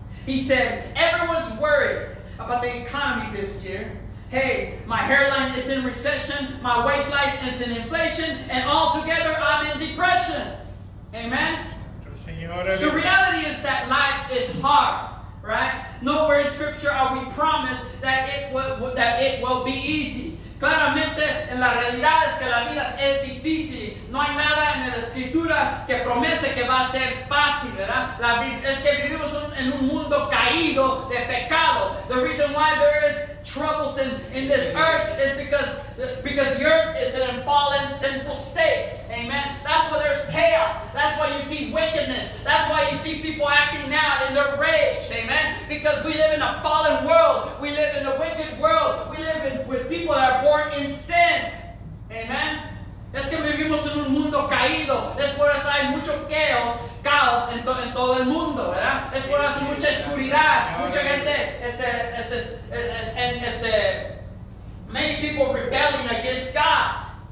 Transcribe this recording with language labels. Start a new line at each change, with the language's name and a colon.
English: He said, everyone's worried about the economy this year. Hey, my hairline is in recession, my waistline is in inflation, and altogether I'm in depression. Amen? The reality is that life is hard, right? Nowhere in Scripture are we promised that it will be easy.
Spanish: Claramente, en la realidad es que la vida es difícil. No hay nada en la Escritura que promese que va a ser fácil, ¿verdad? Es que vivimos en un mundo caído de pecado.
English: The reason why there is troubles in this earth is because the earth is in a fallen, sinful state. Amen? That's why there's chaos. That's why you see wickedness. That's why you see people acting out in their rage. Amen? Because we live in a fallen world. We live in a wicked world. We live with people that are born in sin.
Spanish: Amen? Es que vivimos en un mundo caído. Es por eso hay mucho caos en todo el mundo, ¿verdad? Es por eso mucha oscuridad. Mucha gente,
English: many people rebelling against God.